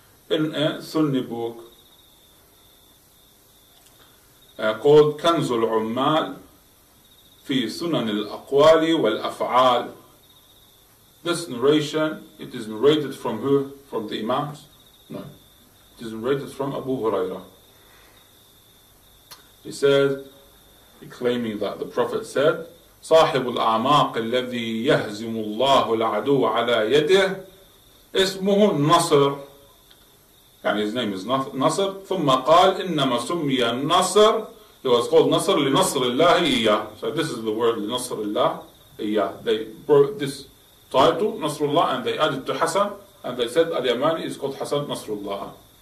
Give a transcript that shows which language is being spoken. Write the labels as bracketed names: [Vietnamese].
[English] In a Sunni book called Kanz al-Ummal fi Sunan al-Aqwali wal-Af'al. This narration, it is narrated from who? From the Imams? No. It is narrated from Abu Hurairah. He says, claiming that the Prophet said, [Arabic] صاحب الأعماق الذي يهزم الله العدو على يده اسمه نصر. يعني [English] his name is Nasr. [Arabic] ثم قال إنما سمي النصر. [English] He was called Nasr [Arabic] لنصر الله إياه. [English] So this is the word لنصر الله إياه. They brought this title نصر الله, and they added to Hassan, and they said al-Yamani is called Hassan نصر الله.